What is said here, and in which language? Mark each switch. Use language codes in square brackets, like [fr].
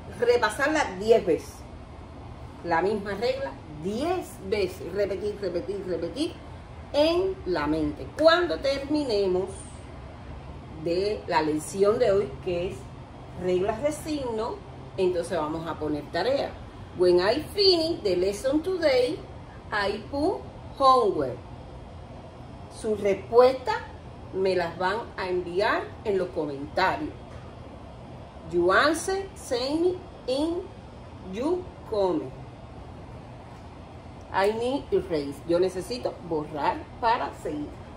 [es] Repasarlas 10 veces. La misma regla 10 veces, repetir, repetir, repetir en la mente. Cuando terminemos de la lección de hoy, que es reglas de signo, entonces vamos a poner tarea. [en] When I finish the lesson today, I put homework. [es] Sus respuestas me las van a enviar en los comentarios. [en] You answer, send me in your comment. I need erase. [es] Yo necesito borrar para seguir.